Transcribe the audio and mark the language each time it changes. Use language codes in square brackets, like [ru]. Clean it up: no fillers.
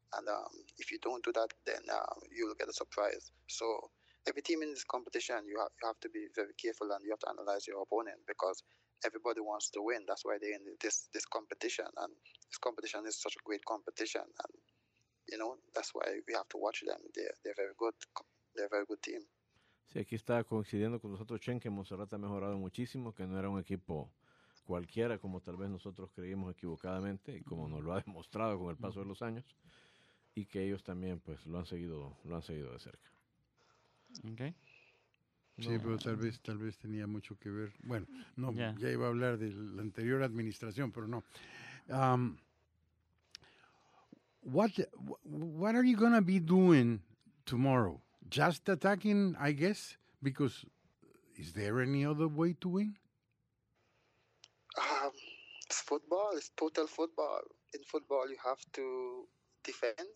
[en] And if you don't do that, then you'll get a surprise. So every team in this competition, you have to be very careful and you have to analyze your opponent because everybody wants to win. That's why they're in this competition. And this competition is such a great competition. And, you know, that's why we have to watch them. They're very good. They're a very good team. [es] Sí, aquí está coincidiendo con nosotros Chen que Montserrat ha mejorado muchísimo, que no era un equipo cualquiera como tal vez nosotros creímos equivocadamente y como nos lo ha demostrado con el paso de los años y que ellos también pues lo han seguido de cerca. [en] Okay. [es] Sí, pero tal vez tenía mucho que ver. Bueno, no, ya iba a hablar de la anterior administración, pero no. [en] What are you going to be doing tomorrow? Just attacking, I guess, because is there any other way to win? It's football. It's total football. In football, you have to defend.